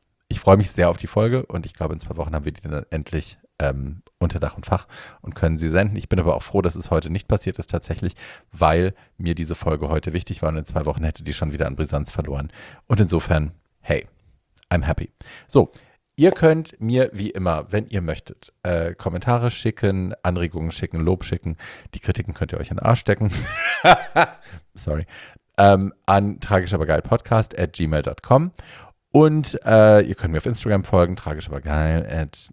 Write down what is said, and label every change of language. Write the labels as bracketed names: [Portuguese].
[German] Ich freue mich sehr auf die Folge und ich glaube, in 2 Wochen haben wir die dann endlich unter Dach und Fach und können sie senden. Ich bin aber auch froh, dass es heute nicht passiert ist tatsächlich, weil mir diese Folge heute wichtig war und in 2 Wochen hätte die schon wieder an Brisanz verloren. Und insofern, hey, [English] I'm happy. [German] So, ihr könnt mir wie immer, wenn ihr möchtet, Kommentare schicken, Anregungen schicken, Lob schicken. Die Kritiken könnt ihr euch in den Arsch stecken. Sorry. An tragischabergeilpodcast@gmail.com. Und ihr könnt mir auf Instagram folgen, tragischabergeil.